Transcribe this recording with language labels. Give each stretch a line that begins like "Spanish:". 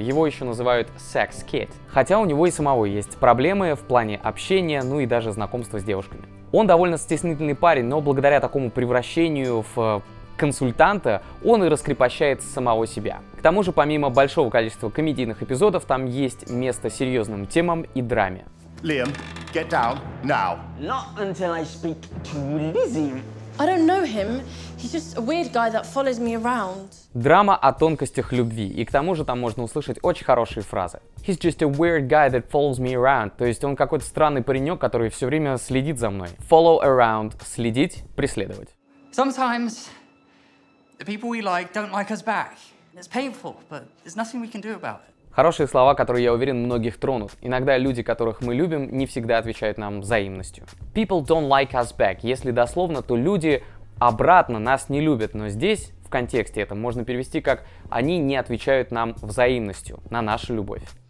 Russian: Его еще называют секс-кит. Хотя у него и самого есть проблемы в плане общения, ну и даже знакомства с девушками. Он довольно стеснительный парень, но благодаря такому превращению в консультанта, он и раскрепощает самого себя. К тому же, помимо большого количества комедийных эпизодов, там есть место серьезным темам и драме.
English: Liam, get down now. Not until I speak to Lizzie. I don't know him. He's just a weird guy that follows me around.
Russian: Драма о тонкостях любви, и к тому же там можно услышать очень хорошие фразы.
English: He's just a weird guy that follows me around.
Russian: То есть он какой-то странный паренек, который все время следит за мной.
English: Follow around,
Russian: следить, преследовать.
English: Sometimes the people we like don't like us back. It's painful, but there's nothing we can do about it.
Russian: Хорошие слова, которые, я уверен, многих тронут. Иногда люди, которых мы любим, не всегда отвечают нам взаимностью.
English: People don't like us back.
Russian: Если дословно, то люди обратно нас не любят. Но здесь, в контексте это можно перевести как «они не отвечают нам взаимностью на нашу любовь».